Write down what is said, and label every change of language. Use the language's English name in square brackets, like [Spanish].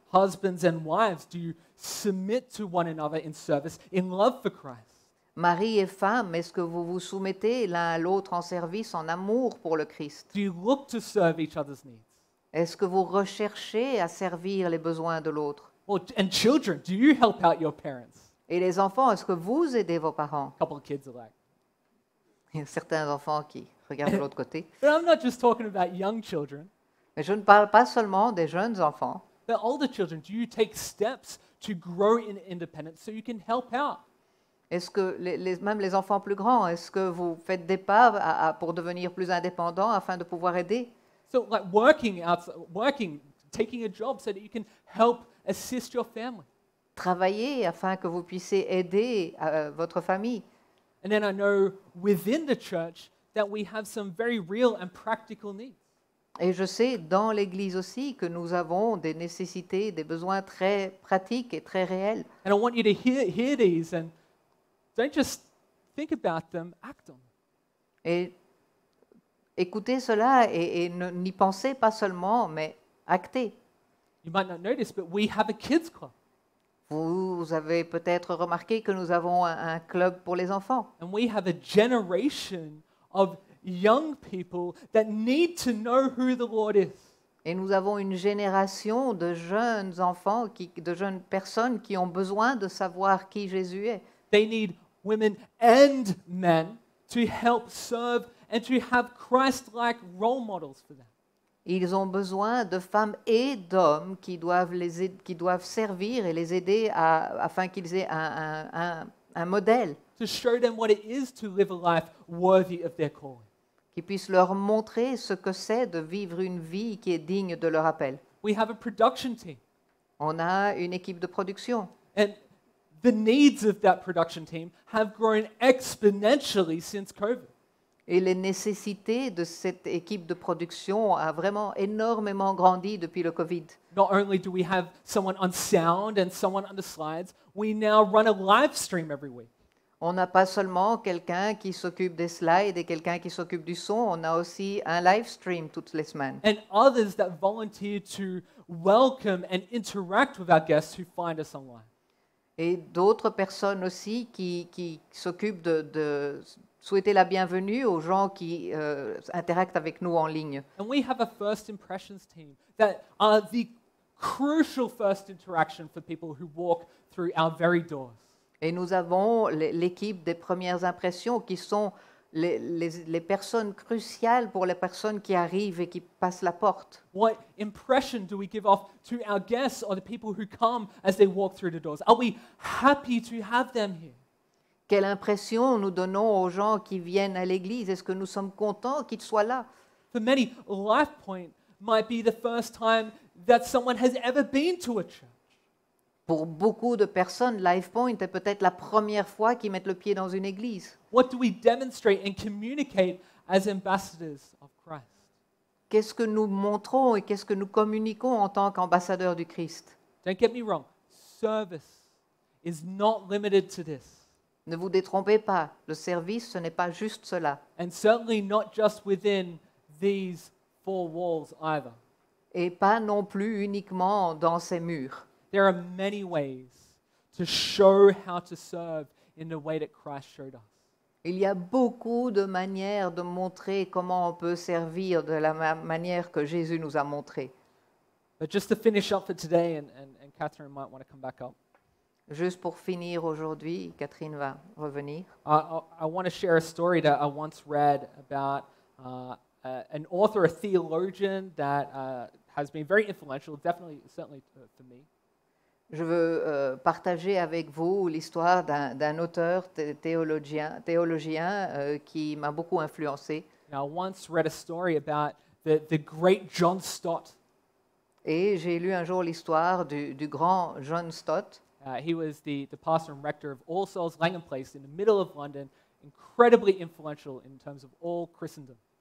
[English] Husbands and wives, do you submit to one another in service, in love for Christ? [French] Mari et femme, est-ce que vous vous soumettez l'un à l'autre en service, en amour pour le Christ? [English] Do you look to serve each other's needs? [French] Est-ce que vous recherchez à servir les besoins de l'autre? [English] And children, do you help out your parents? [French] Et les enfants, est-ce que vous aidez vos parents? [English] A couple of kids alike. [French] Il y a certains enfants qui regardent de l'autre côté. [English] But I'm not just talking about young children. [French] Mais je ne parle pas seulement des jeunes enfants. [English] The older children, do you take steps to grow in independence so you can help out? [French] Est-ce que même les enfants plus grands, est-ce que vous faites des pas pour devenir plus indépendant afin de pouvoir aider? [English] So like working outside, working, taking a job so that you can help assist your family. [French] Travailler afin que vous puissiez aider votre famille. [English] And then I know within the church that we have some very real and practical needs. [French] Et je sais dans l'église aussi que nous avons des nécessités, des besoins très pratiques et très réels. [English] And I want you to hear these and don't just think about them, act on them. [French] Et écoutez cela et n'y pensez pas seulement, mais actez. [English] You might not notice, but we have a kids club. [French] Vous avez peut-être remarqué que nous avons un club pour les enfants. [English] And we have a generation of young people that need to know who the Lord is. [French] Et nous avons une génération de jeunes enfants, de jeunes personnes qui ont besoin de savoir qui Jésus est. [English] They need women and men to help serve and to have Christ-like role models for them. [French] Ils ont besoin de femmes et d'hommes qui doivent les aider, qui doivent servir et les aider afin qu'ils aient un modèle. [English] To show them what it is to live a life worthy of their calling. [French] Qui puissent leur montrer ce que c'est de vivre une vie qui est digne de leur appel. [English] We have a production team. [French] On a une équipe de production. [English] And the needs of that production team have grown exponentially since COVID. [French] Et les nécessités de cette équipe de production a vraiment énormément grandi depuis le COVID. [English] Not only do we have someone on sound and someone on the slides, we now run a live stream every week. [French] On n'a pas seulement quelqu'un qui s'occupe des slides et quelqu'un qui s'occupe du son, on a aussi un live stream toutes les semaines. [English] And others that volunteer to welcome and interact with our guests who find us online. [French] Et d'autres personnes aussi qui s'occupent de souhaiter la bienvenue aux gens qui interactent avec nous en ligne. [English] And we have a first impressions team that are the crucial first interaction for people who walk through our very doors. [French] Et nous avons l'équipe des premières impressions qui sont les personnes cruciales pour les personnes qui arrivent et qui passent la porte. [English] What impression do we give off to our guests or the people who come as they walk through the doors? Are we happy to have them here? [French] Quelle impression nous donnons aux gens qui viennent à l'église? Est-ce que nous sommes contents qu'ils soient là? [English] For many, LifePoint might be the first time that someone has ever been to a church. [French] Pour beaucoup de personnes, LifePoint est peut-être la première fois qu'ils mettent le pied dans une église. [English] What do we demonstrate and communicate as ambassadors of Christ? [French] Qu'est-ce que nous montrons et qu'est-ce que nous communiquons en tant qu'ambassadeurs du Christ? [English] Don't get me wrong, service is not limited to this. [French] Ne vous détrompez pas, le service, ce n'est pas juste cela. [English] And certainly not just within these four walls either. [French] Et pas non plus uniquement dans ces murs. [English] There are many ways to show how to serve in the way that Christ showed us. [French] Il y a beaucoup de manières de montrer comment on peut servir de la manière que Jésus nous a montré. [English] But just to finish up for today, and Catherine might want to come back up. [French] Juste pour finir aujourd'hui, Catherine va revenir. [English] I want to share a story that I once read about an author, a theologian that has been very influential, definitely, certainly for me. [French] Je veux partager avec vous l'histoire d'un auteur théologien qui m'a beaucoup influencé. [English] Now, I once read a story about the great John Stott. [French] Et j'ai lu un jour l'histoire du grand John Stott. [English] He was the pastor and rector of All Souls Langham Place in the middle of London, incredibly influential in terms of all Christendom.